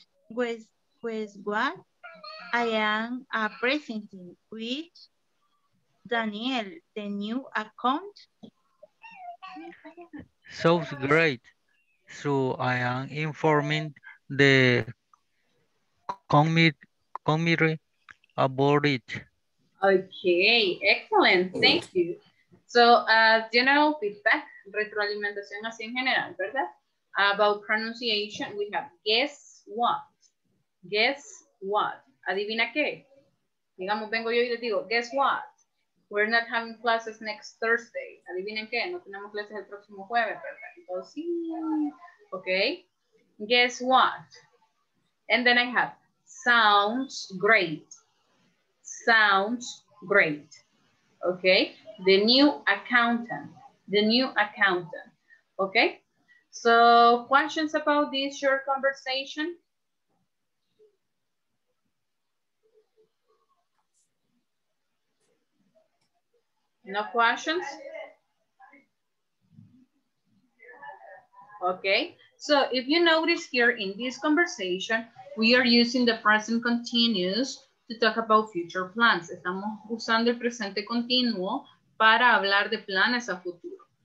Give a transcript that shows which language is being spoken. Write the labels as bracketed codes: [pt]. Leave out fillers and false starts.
[en] With what I am presenting with Daniel, the new account. So great. So I am informing the committee about it. Okay, excellent. Thank you. So, general feedback, [es] retroalimentación así en general, ¿verdad? [en] About pronunciation, we have guess what. Guess what? [es] ¿Adivina qué? Digamos, vengo yo y le digo, [en] guess what? We're not having classes next Thursday. [es] ¿Adivinen qué? No tenemos clases el próximo jueves, ¿verdad? Entonces, sí. Ok. [en] Guess what? And then I have, sounds great. Sounds great. Ok. The new accountant. The new accountant. Ok. So, questions about this short conversation? No questions? Okay. So if you notice here in this conversation, we are using the present continuous to talk about future plans. [es] Estamos usando el presente continuo para hablar de planes a futuro.